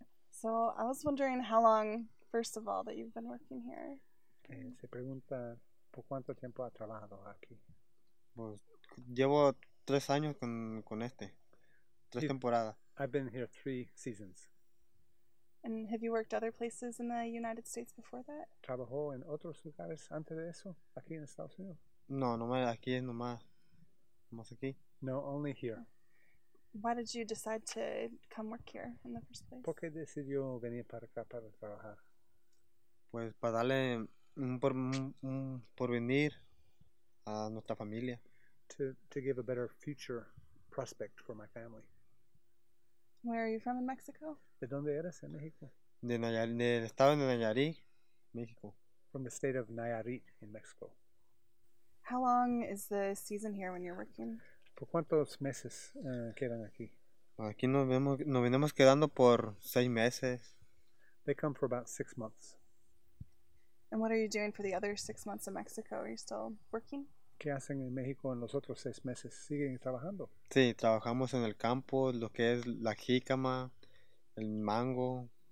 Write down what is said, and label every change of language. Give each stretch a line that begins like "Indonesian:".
English: So I was wondering how long, first of all, that you've been working here.
Spanish: Se pregunta, ¿por cuánto tiempo ha trabajado aquí? Pues llevo 3 años con este, 3 temporadas.
English: I've been here 3 seasons. And have you worked other places in the United States before that?
Spanish: ¿Trabajó en otros lugares antes de eso, aquí en Estados Unidos? No, nomás aquí, nomás aquí.
English: No, only here. Why did you decide to come work here in the first place?
Spanish: ¿Por qué decidió venir para acá para trabajar? Pues para darle un porvenir a nuestra familia.
English: To give a better future prospect for my family. Where are you from in Mexico?
Spanish: ¿De dónde eres en México? De Nayarit, del estado de Nayarit, México.
English: From the state of Nayarit in Mexico. How long is the season here when you're working?
Spanish: ¿Por cuántos meses quedan aquí? Aquí nos venimos quedando por 6 meses.
English: They come for about 6 months. And what are you doing for the other 6 months in Mexico? Are you still working?
Spanish: ¿Qué hacen en México en los otros 6 meses? ¿Siguen trabajando? Sí, trabajamos en el campo, lo que es la jícama, el mango.